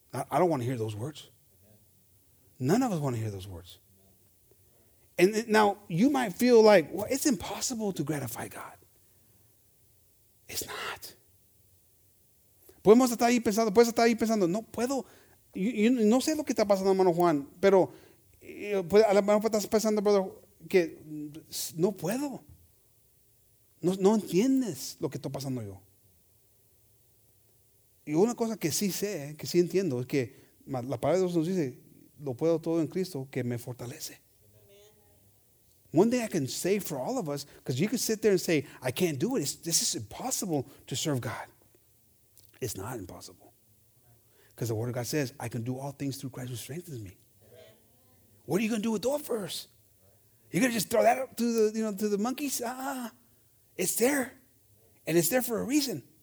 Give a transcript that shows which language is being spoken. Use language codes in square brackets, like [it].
[en] I don't want to hear those words. None of us want to hear those words. And now you might feel like, well, it's impossible to gratify God. It's not. [es] Podemos estar ahí pensando, puedes estar ahí pensando, no puedo. You no sé lo que está pasando, hermano Juan, pero a lo mejor estás pensando, brother, que no puedo. No entiendes lo que está pasando yo. Y una cosa que sí sé, que sí entiendo, es que la palabra de Dios nos dice, lo puedo todo en Cristo que me fortalece. Amen. [en] One thing I can say for all of us, because you can sit there and say, I can't do it. This is impossible to serve God. It's not impossible. Because the Word of God says, I can do all things through Christ who strengthens me. Amen. What are you going to do with that verse? You're going to just throw that up to the, you know, to the monkeys? It's there. And it's there for a reason.